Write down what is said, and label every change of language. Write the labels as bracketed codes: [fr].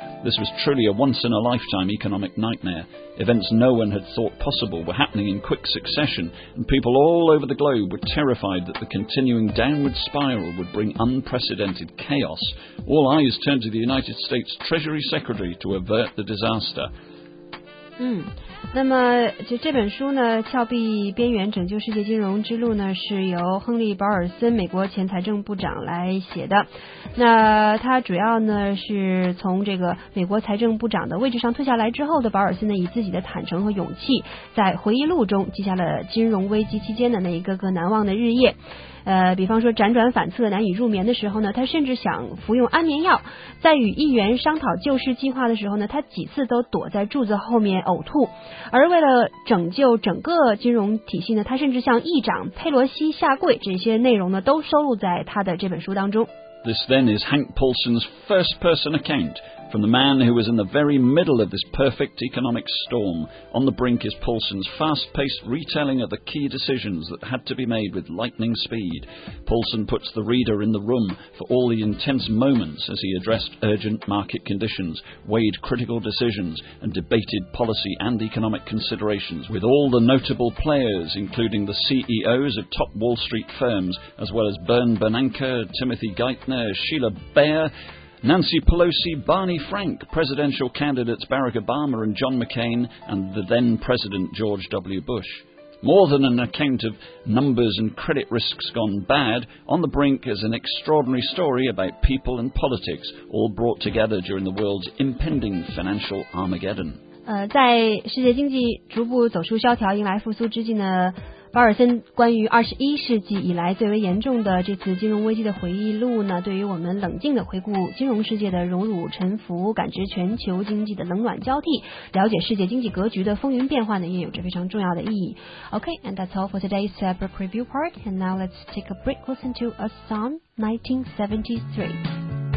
[en] This was truly a once-in-a-lifetime economic nightmare. Events no one had thought possible were happening in quick succession, and people all over the globe were terrified that the continuing downward spiral would bring unprecedented chaos. All eyes turned to the United States Treasury Secretary to avert the disaster. [zh] 那么就这本书呢，《峭壁边缘：拯救世界金融之路》呢，是由亨利·保尔森，美国前财政部长来写的。那他主要呢是从这个美国财政部长的位置上退下来之后的保尔森呢，以自己的坦诚和勇气，在回忆录中记下了金融危机期间的那一个个难忘的日夜。比方说辗转反侧难以入眠的时候呢，他甚至想服用安眠药，在与议员商讨救市计划的时候呢，他几次都躲在柱子后面呕吐，而为了拯救整个金融体系呢，他甚至向议长佩洛西下跪，这些内容呢都收录在他的这本书当中。 [en] This then is Hank Paulson's first person accountFrom the man who was in the very middle of this perfect economic storm, On the Brink is Paulson's fast-paced retelling of the key decisions that had to be made with lightning speed. Paulson puts the reader in the room for all the intense moments as he addressed urgent market conditions, weighed critical decisions, and debated policy and economic considerations with all the notable players, including the CEOs of top Wall Street firms, as well as Bernie Bernanke, Timothy Geithner, Sheila Bair,Nancy Pelosi, Barney Frank, presidential candidates Barack Obama and John McCain, and the then president George W. Bush. More than an account of numbers and credit risks gone bad, On the Brink is an extraordinary story about people and politics, all brought together during the world's impending financial Armageddon. [zh] 在世界经济逐步走出萧条迎来复苏之际呢，保尔森关于二十一世纪以来最为严重的这次金融危机的回忆录呢，对于我们冷静的回顾金融世界的荣辱沉浮，感知全球经济的冷暖交替，了解世界经济格局的风云变幻呢，也有着非常重要的意义。 [en] OK, and that's all for today's book review part. And now let's take a break, listen to a song, 1973.